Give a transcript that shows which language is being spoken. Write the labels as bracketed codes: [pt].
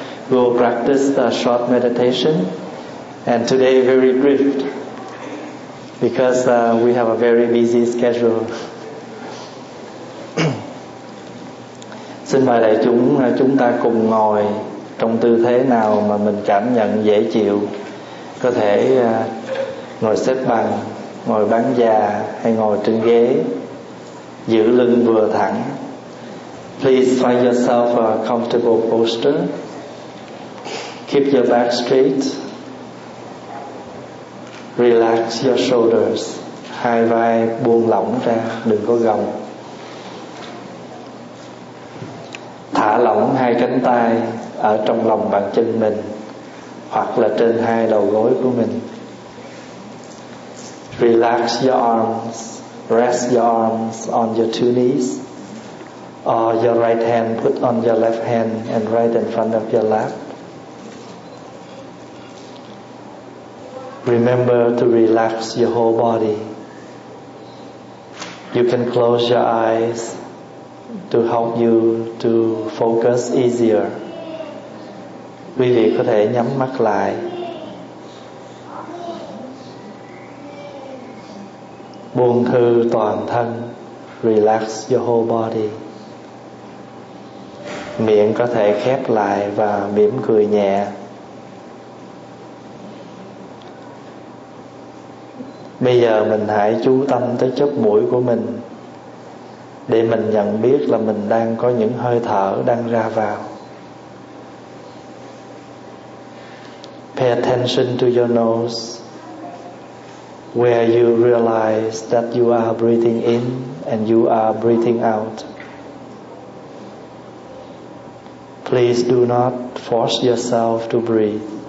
[en] We will practice the short meditation, and today very brief, because we have a very busy schedule. [vi] Xin mời đại chúng chúng ta cùng ngồi trong tư thế nào mà mình cảm nhận dễ chịu, có thể ngồi xếp bằng, ngồi bán già hay ngồi trên ghế, giữ lưng vừa thẳng. [en] Please find yourself a comfortable posture. Keep your back straight. Relax your shoulders. [vi] Hai vai buông lỏng ra, đừng có gồng. Thả lỏng hai cánh tay ở trong lòng bàn chân mình hoặc là trên hai đầu gối của mình. [en] Relax your arms. Rest your arms on your two knees, or your right hand put on your left hand and right in front of your lap. Remember to relax your whole body. You can close your eyes to help you to focus easier. [vi] Quý vị có thể nhắm mắt lại. Buông thư toàn thân, [en] relax your whole body. [vi] Miệng có thể khép lại và mỉm cười nhẹ. Bây giờ mình hãy chú tâm tới chóp mũi của mình, để mình nhận biết là mình đang có những hơi thở đang ra vào. [en] Pay attention to your nose, where you realize that you are breathing in and you are breathing out. Please do not force yourself to breathe.